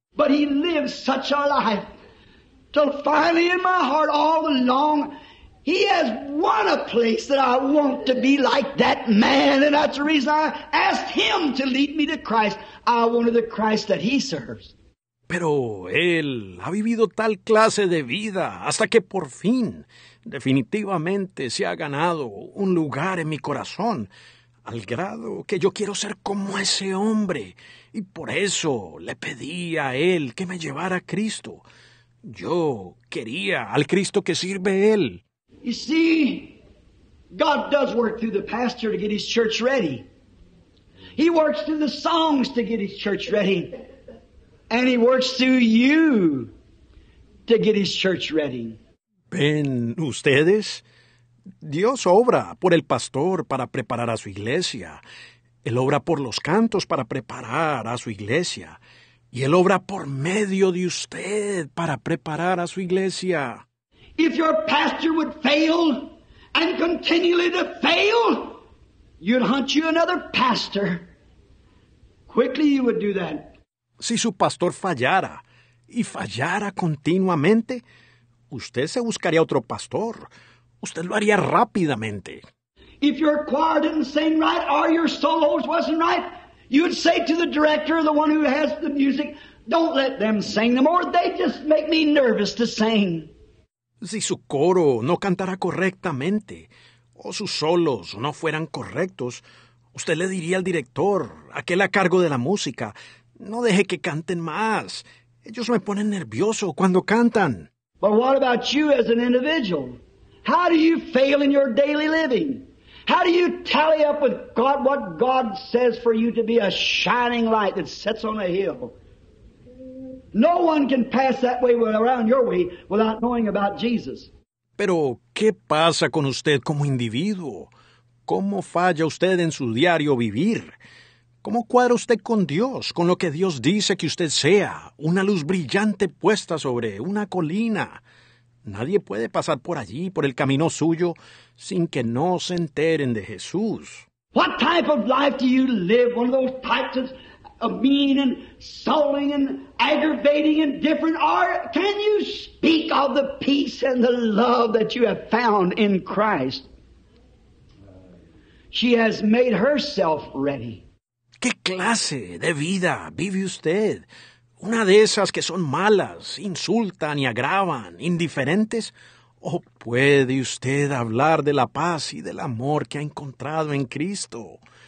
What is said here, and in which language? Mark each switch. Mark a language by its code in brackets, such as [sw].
[en] But he lived such a life, till finally in my heart all along, he has won a place that I want to be like that man, and that's the reason I asked him to lead me to Christ. I wanted the Christ that he serves. [es] Pero él ha vivido tal clase de vida hasta que por fin, definitivamente, se ha ganado un lugar en mi corazón, al grado que yo quiero ser como ese hombre, y por eso le pedí a él que me llevara a Cristo. Yo quería al Cristo que sirve él. [en] You see, God does work through the pastor to get his church ready. He works through the songs to get his church ready. And he works through you to get his church ready. [es] ¿Ven ustedes? Dios obra por el pastor para preparar a su iglesia. Él obra por los cantos para preparar a su iglesia. Y él obra por medio de usted para preparar a su iglesia. [en] If your pastor would fail and continually to fail, you'd hunt you another pastor. Quickly you would do that. [es] Si su pastor fallara y fallara continuamente, usted se buscaría otro pastor. Usted lo haría rápidamente. [en] If your choir didn't sing right or your solos wasn't right, you'd say to the director, the one who has the music, don't let them sing them, or they just make me nervous to sing. [es] Si su coro no cantara correctamente, o sus solos no fueran correctos, usted le diría al director, aquel a cargo de la música, no deje que canten más. Ellos me ponen nervioso cuando cantan. [en] But what about you as an individual? How do you fail in your daily living? How do you tally up with God what God says for you to be a shining light that sets on a hill? No one can pass that way around your way without knowing about Jesus. [es] Pero, ¿qué pasa con usted como individuo? ¿Cómo falla usted en su diario vivir? ¿Cómo cuadra usted con Dios, con lo que Dios dice que usted sea, una luz brillante puesta sobre una colina? Nadie puede pasar por allí, por el camino suyo, sin que no se enteren de Jesús. [en] What type of life do you live? One of those types of mean and sullen and aggravating and different? Or can you speak of the peace and the love that you have found in Christ? She has made herself ready. [es] ¿Qué clase de vida vive usted? ¿Una de esas que son malas, insultan y agravan, indiferentes? ¿O puede usted hablar de la paz y del amor que ha encontrado en Cristo?